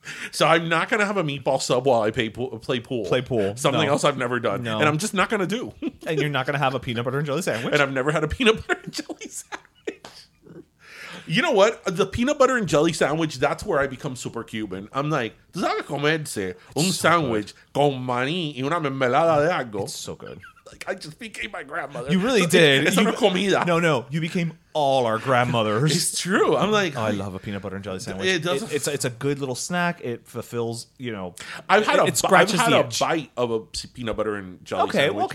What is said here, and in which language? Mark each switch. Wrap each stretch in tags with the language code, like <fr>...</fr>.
<en>So I'm not going to have a meatball sub while I play pool. Play pool. Something else I've never done. No. And I'm just not going to do. And you're not going to have a peanut butter and jelly sandwich. And I've never had a peanut butter and jelly sandwich. You know what? The peanut butter and jelly sandwich, that's where I become super Cuban. I'm like,</en> <es>¿tú sabes comerse un sandwich con maní y una mermelada de algo?</es> <en>It's so good. Like, I just became my grandmother. You really did. It's</en> <es>una comida.</es> <en>No. You became all our grandmothers. It's true. I'm like... Oh, I love a peanut butter and jelly sandwich. It's a good little snack. It fulfills, you know... I've had a bite of a peanut butter and jelly sandwich.</en>